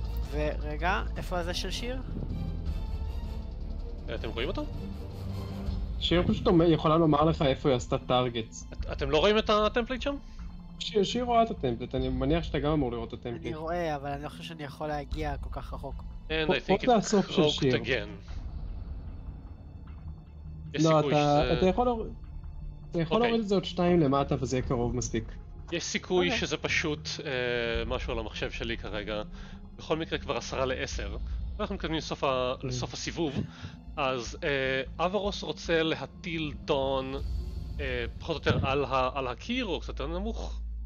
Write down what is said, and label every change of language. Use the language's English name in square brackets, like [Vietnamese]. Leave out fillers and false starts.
[Hebrew] ורגע, איפה הזה של שיר? אתם רואים אותו? שיר פשוט אומר, יכולה לומר לך איפה היא עשתה טארגט. אתם לא רואים את הטמפלייט שם? שיר רואה את הטמפלייט, אני מניח שאתה גם אמור לראות את הטמפלייט. אני רואה, אבל אני לא חושב שאני יכול להגיע כל כך רחוק. [English] And I think it's croaked again. [Hebrew] לא, אתה יכול להוריד את זה עוד שתיים למטה, וזה יהיה קרוב מספיק. יש סיכוי שזה פשוט משהו על המחשב שלי כרגע. בכל מקרה כבר 10-10. אנחנו מקדמים לסוף הסיבוב. אז אברוס רוצה להטיל דון פחות או יותר על הקיר, או קצת יותר נמוך?